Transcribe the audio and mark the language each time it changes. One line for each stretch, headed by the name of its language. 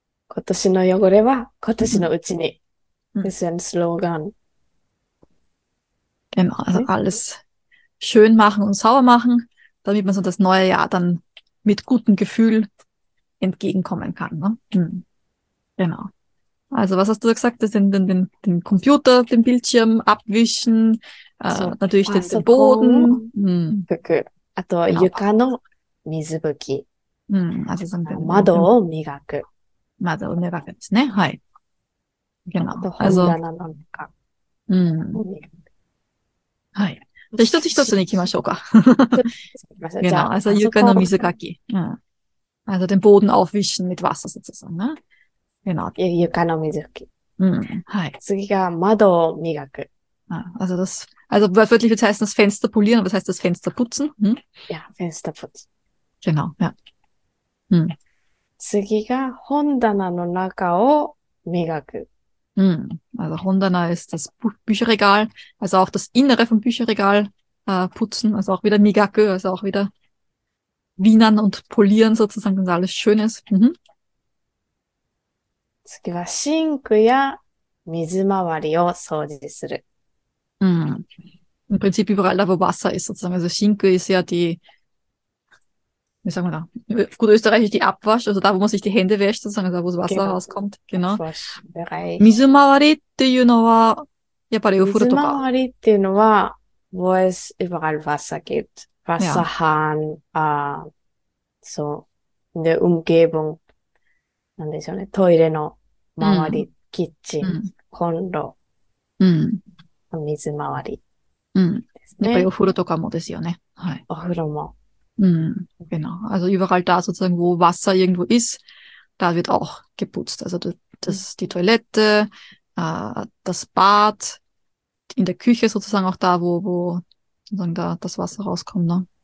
Japanese: 今年の汚れは今年のうちに。
German: Das ist ein Slogan. Genau, also alles schön machen und sauber machen, damit man so das neue Jahr dann mit gutem Gefühl entgegenkommen kann. Ne? Genau. Also was hast du da gesagt? Das sind den Computer, den Bildschirm abwischen, so, natürlich den Boden.
Japanese: あと、床の水拭き。窓を磨く。窓を磨くですね。はい。あと、本棚の中。はい。じゃあ一つ一つに行きましょうか。行きましょう。じゃあ、床の水かき。うん。あとで、ボードのオフィシュにてばさせてさ、な。床の水拭き。はい。次が窓を磨く。
German: あ、also das, also wörtlich heißt das Fenster polieren, was heißt das Fenster putzen? Ja, Fenster putzen. Genau, ja.
Japanese: 次が本棚の中を磨く。
German: Also 本棚 ist das Bücherregal, also auch das Innere vom Bücherregal, putzen, also auch wieder 磨く, also auch wieder wienern und polieren sozusagen, dass alles schön ist.
Japanese: 次はシンクや水回りを掃除する。
German: Im Prinzip überall da, wo Wasser ist, sozusagen. Also Schinke ist ja die, wie sagen wir da, gut österreichisch die Abwasch, also da, wo man sich die Hände wäscht, sozusagen, da, wo das Wasser rauskommt. Genau. Abwaschbereich.
Japanese: 水回りっていうのは、やっぱりお風呂とか。水回りっていうのは、
German: wo es überall Wasser gibt. Wasserhahn, so, in der Umgebung.
Japanese: なんでしょうね。トイレの周り、キッチン、コンロ、水回り、ね。やっぱりお風呂とかもですよね。はい。お風呂も。
German: Genau. Also überall da sozusagen, wo Wasser irgendwo ist, da wird auch geputzt. Also das, die Toilette, das Bad, in der Küche sozusagen auch da, wo, wo sozusagen da das Wasser rauskommt. Ne?